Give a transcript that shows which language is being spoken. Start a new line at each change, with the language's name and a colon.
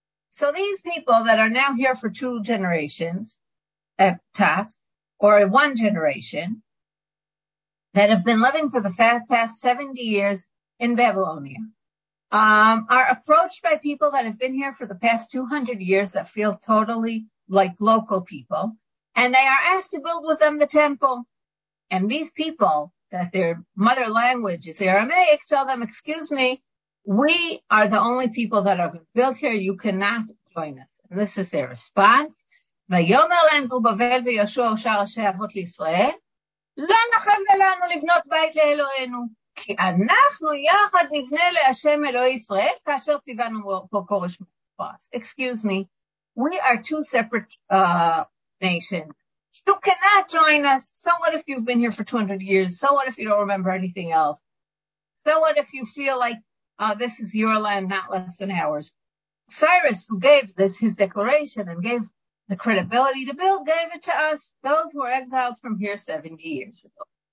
English: So these people that are now here for two generations, at tops, or one generation, that have been living for the past 70 years in Babylonia, are approached by people that have been here for the past 200 years that feel totally like local people, and they are asked to build with them the temple. And these people, that their mother language is Aramaic, tell them, excuse me, we are the only people that are built here. You cannot join us. And this is their response.
Hebrew: ויאמר להם זרובבל ויהושע ושאר ראשי האבות לישראל, לא לכם ולנו לבנות בית לאלוהינו, כי אנחנו יחד נבנה להשם אלוהי ישראל כאשר ציוונו פה כורש מפרס.
English: Excuse me, we are two separate nations. You cannot join us. So what if you've been here for 200 years? So what if you don't remember anything else? So what if you feel like this is your land, not less than ours? Cyrus, who gave this his declaration and gave the credibility to build, gave it to us, those who were exiled from here 70 years ago.